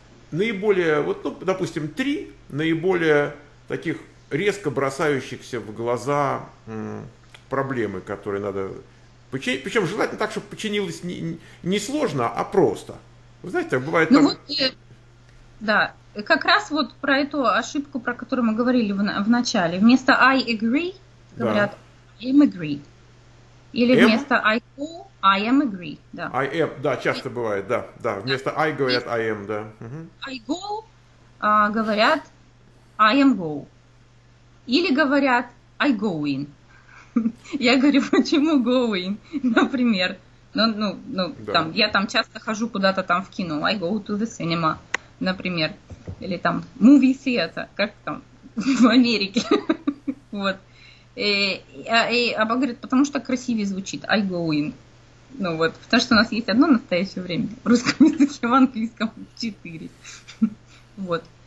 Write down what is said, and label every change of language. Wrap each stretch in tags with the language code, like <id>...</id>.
<ru>Наиболее, вот, ну, допустим, три наиболее таких резко бросающихся в глаза проблемы, которые надо починить. Причем желательно так, чтобы починилось не сложно, а просто. Вы знаете, так бывает Ну там... вот, да, как раз вот про эту ошибку, про которую мы говорили в начале. Вместо</ru> <en>I agree</en> <ru>Да. говорят</ru> <en>I am agree.</en> <ru>Или М. вместо</ru> <en>I go, I am agree,</en> <ru>да.</ru> <en>I am.</en> <ru>Да, часто бывает, да. Да. Вместо</ru> <en>I</en> <ru>говорят</ru> <en>I am,</en> <ru>да.</ru> <en>I go,</en> <ru>говорят</ru> <en>I am go.</en> <ru>Или говорят</ru> <en>I going.</en> <ru>Я говорю, почему going, например? Ну, Да. там, я там часто хожу куда-то там в кино.</ru> <en>I go to the cinema, например.</en> <ru>Или там,</ru> <en>movie theater,</en> <ru>как там в Америке. Вот. А баба говорит, потому что красивее звучит.</ru> <en>I go in.</en> <ru>Ну вот, потому что у нас есть одно настоящее время. В русском языке, в английском 4. Вот.</ru>